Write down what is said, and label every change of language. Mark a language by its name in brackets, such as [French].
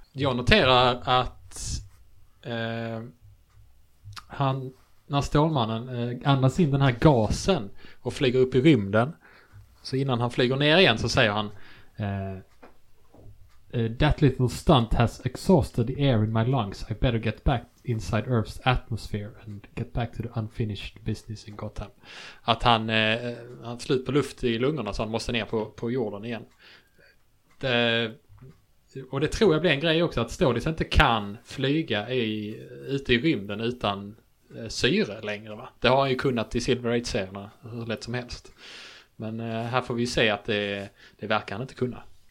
[Swedish] Jag noterar att han, när Stålmannen andas in den här gasen och flyger upp i rymden, så innan han flyger ner igen så säger han [English] "That little stunt has exhausted the air in my lungs. I better get back inside Earth's atmosphere and get back to the unfinished business in Gotham." [Swedish] Att han har slut på luft i lungorna, så han måste ner på jorden igen. Och det tror jag blir en grej också, att Stålis inte kan flyga ute i rymden utan syre längre, va? Det har han ju kunnat i Silver Age-serierna hur lätt som helst. Men här får vi ju se att det verkar han inte kunna.